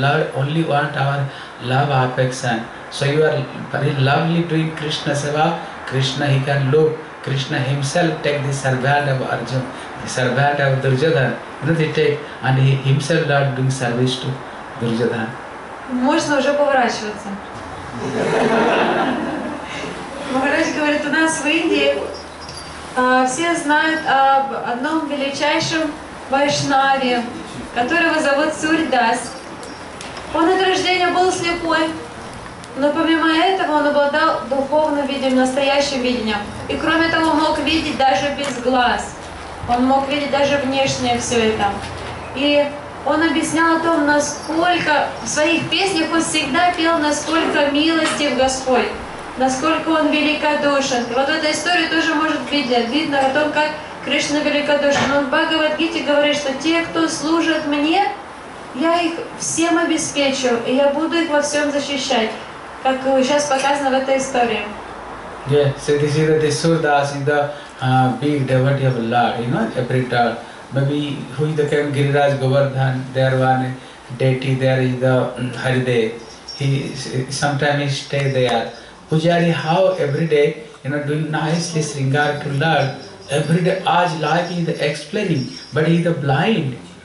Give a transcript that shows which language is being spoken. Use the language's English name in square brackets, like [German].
[English] Lord only want our love affection. So you are very lovely doing Krishna Seva. Krishna he can look. Krishna himself take the servant of Arjuna, the servant of Duryodhana. You know, they take, and he himself Lord doing service to Duryodhana. [Russian] Можно уже поворачиваться. Махарадж говорит, у нас в Индии все знают об одном величайшем вайшнаве, которого зовут Сурдас. Он от рождения был слепой, но помимо этого он обладал духовным видением, настоящим видением. И кроме того, мог видеть даже без глаз. Он мог видеть даже внешнее все это. И он объяснял о том, насколько в своих песнях он всегда пел, насколько милостив Господь, насколько он великодушен. И вот в этой истории тоже может быть видно о том, как Кришна великодушен. Он в Бхагавад-гите говорит, что те, кто служат мне, я их всем обеспечу, и я буду их во всем защищать, как сейчас показано в этой истории. [English] Yeah, so this is Surdas in the big devotee of Lord, you know, every time. Maybe who is the Giriraj Govardhan, their one deity, there is the Haridev. He sometimes stay there. Pujari, how every day, you know, doing nicely Sringar to Lord, every day, Aj life is explaining, but he is the blind.